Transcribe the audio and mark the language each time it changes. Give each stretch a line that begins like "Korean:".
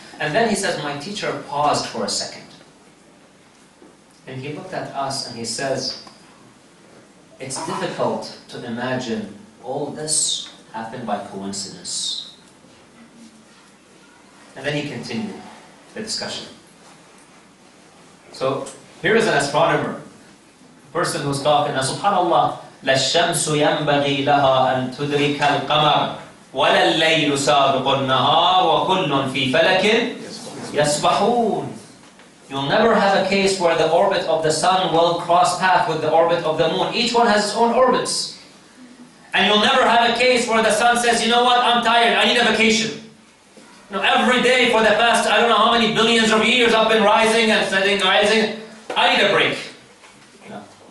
English: And then he says, my teacher paused for a second. And he looked at us and he says, it's difficult to imagine all this happened by coincidence. And then he continued. the discussion. So here is an astronomer, a person who's talking, and subhanAllah,
Arabic: لَالشَّمْسُ يَنْبَغِي لَهَا أَن تُدْرِكَ الْقَمَرَ وَلَا اللَّيْلُ سَابِقُ النَّهَارُ وَكُلٌّ فِي فَلَكٍ يَسْبَحُونَ.
English: You'll never have a case where the orbit of the sun will cross path with the orbit of the moon. Each one has its own orbits. And you'll never have a case where the sun says, you know what, I'm tired, I need a vacation. You know, every day for the past, I don't know how many billions of years, I've been rising and setting, rising, I need a break. Yeah.